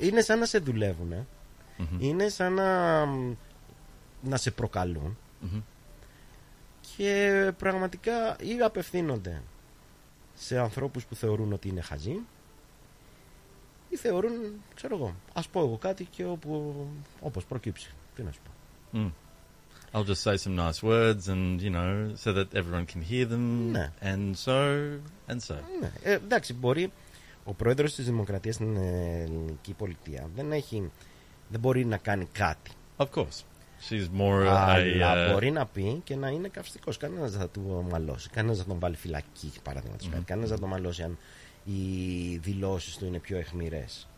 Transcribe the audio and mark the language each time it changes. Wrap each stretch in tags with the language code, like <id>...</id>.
<el>Είναι σαν να σε δουλεύουν, είναι σαν να σε προκαλούν και πραγματικά ή απευθύνονται σε ανθρώπους που θεωρούν ότι είναι χαζοί ή θεωρούν, ξέρω εγώ, ας πω εγώ κάτι και όπως προκύψει, τι να σου πω.</el> <en>I'll just say some nice words and, you know, so that everyone can hear them.</en> <el>Ναι.</el> <en>And so, and so.</en> <el>Ναι. Εντάξει, μπορεί ο πρόεδρος της Δημοκρατίας στην ελληνική πολιτεία δεν μπορεί να κάνει κάτι.</el> <en>Of course. She's more</en> <el>αλλά μπορεί να πει και να είναι καυστικός. Κανένας θα του μαλώσει. Κανένας θα τον βάλει φυλακή, παραδείγματος. Mm-hmm. Κανένας θα τον μαλώσει αν οι δηλώσεις του είναι πιο αιχμηρές.</el>